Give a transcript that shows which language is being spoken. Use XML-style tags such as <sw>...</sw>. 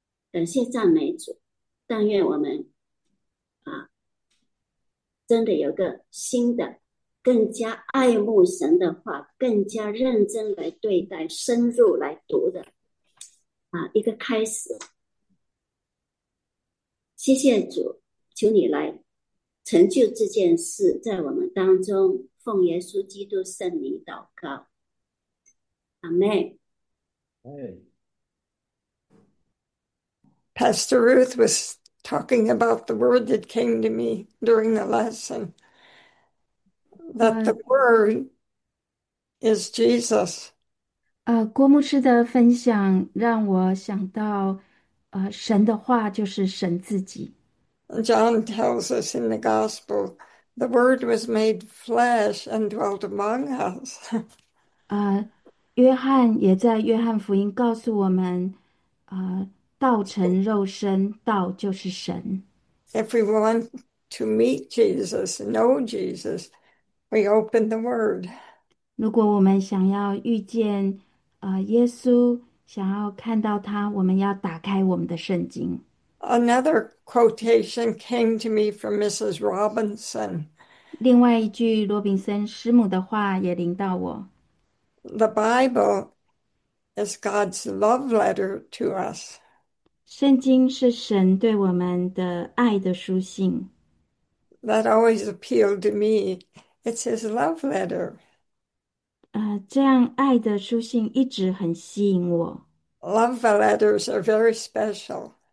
<zh>感谢赞美主，但愿我们真的有个新的、更加爱慕神的话，更加认真来对待、深入来读的一个开始。谢谢主，请你来。成就这件事，在我们当中，奉耶稣基督圣名祷告，阿门。</zh> <en>Hey. Pastor Ruth was talking about the word that came to me during the lesson, that the word is Jesus.</en> <zh>郭牧师的分享让我想到，神的话就是神自己。</zh> <en>John tells us in the gospel, the word was made flesh and dwelt among us.</en> <zh>约翰也在《约翰福音》告诉我们，道成肉身，道就是神。</zh> <en>If we want to meet Jesus, know Jesus, we open the Word.</en> <zh>如果我们想要遇见耶稣，想要看到他，我们要打开我们的圣经。</zh> <en>Another quotation came to me from Mrs. Robinson.</en> <zh>另外一句罗宾森师母的话也临到我。</zh> <en>The Bible is God's love letter to us.</en> <zh>圣经是神对我们的爱的书信。</zh> <en>That always appealed to me. It's his love letter.</en> <zh>这样爱的书信一直很吸引我。</zh> <en>Love letters are very special.</en>